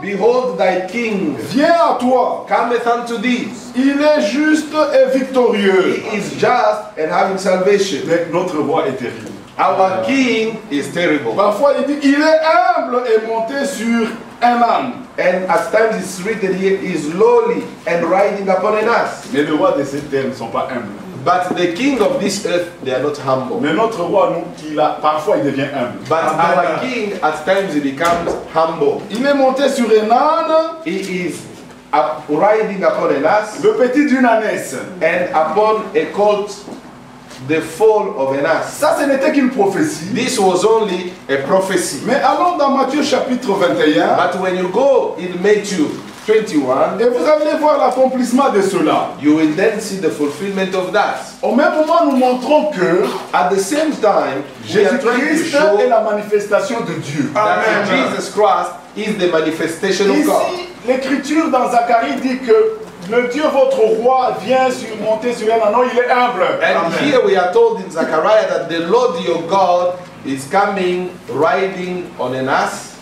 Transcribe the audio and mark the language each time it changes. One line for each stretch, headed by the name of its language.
English: Behold thy king.
French: Viens à toi.
English: Cometh unto thee.
French: Il est juste et victorieux.
English: He is just and having salvation.
French: Mais notre roi est terrible.
English: Our king is terrible.
French: Parfois il dit, il est humble et monté sur un âne.
English: And at times it's written here, he is lowly and riding upon an ass.
French: Mais le roi de cette terre ne sont pas humbles.
English: But the king of this earth, they are not humble.
French: Mais notre roi, nous, il a, parfois il devient humble.
English: But our king, at times he becomes humble.
French: Il est monté sur un âne.
English: He is riding upon an ass.
French: Le petit d'une ânesse.
English: And upon a colt. The fall of an ass.
French: Ça, ce n'était qu'une prophétie.
English: This was only a prophecy.
French: Mais allons dans Matthieu chapitre 21.
English: But when you go in Matthew 21,
French: et vous allez voir l'accomplissement de cela.
English: You will then see the fulfillment of that.
French: Au même moment, nous montrons que,
English: at the same time,
French: Jésus-Christ est la manifestation de Dieu.
English: Amen. That Jesus Christ is the manifestation
French: ici,
English: of God.
French: Ici, l'Écriture dans Zacharie dit que le Dieu votre roi vient sur monter sur un anneau, il est humble.
English: And Amen. Here we are told in Zechariah that the Lord your God is coming riding on an ass.